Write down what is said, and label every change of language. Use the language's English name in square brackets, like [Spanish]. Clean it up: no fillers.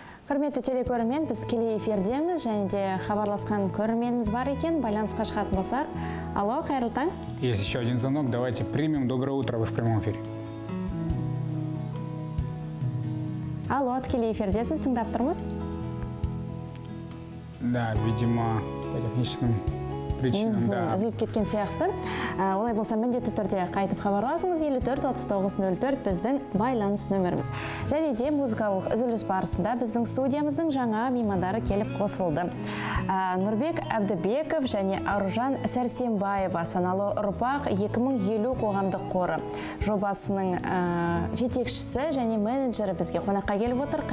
[Kazakh] Құрметті телекөрермен, біз тікелей эфирдеміз және де хабарласқан көрерменіміз бар екен. Байланысқа шығатын болсақ. Алло, қайырлы таң. [Russian] Есть еще один звонок. Давайте примем. Доброе утро, вы в прямом эфире. [Kazakh] Алло, тікелей эфирдесіз, тыңдап тұрмыз. [Russian] Да, видимо, по техническим причинам. [Kazakh] Үзіліп кеткен сияқты. Олай болса, міндетті түрде қайтып хабарласыңыз. 54-39-04 біздің байланыс нөміріміз. Және де музыкалық үзіліс барысында біздің студиямыздың жаңа меймандары келіп қосылды. Нұрбек Әбдібеков және Аружан Сәрсенбаева, Саналы ұрпақ 2050 қоғамдық қоры жобасының жетекшісі және менеджері бізге қонаққа келіп отыр.